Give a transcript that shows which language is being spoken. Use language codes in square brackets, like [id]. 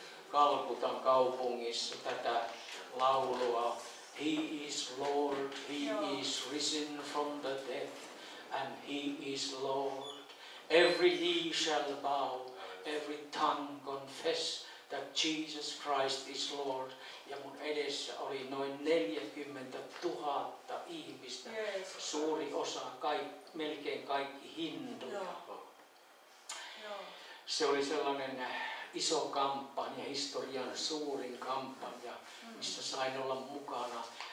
[fi] Kalkutan kaupungissa tätä laulua. [en] He is Lord, he is risen from the dead, and he is Lord. Every knee shall bow, every tongue confess that Jesus Christ is Lord. [fi] Ja mun edessä oli noin 40 000 ihmistä, suuri osa, melkein kaikki hinduja. Se oli sellainen iso kampanja, historian suurin kampanja, missä sain olla mukana.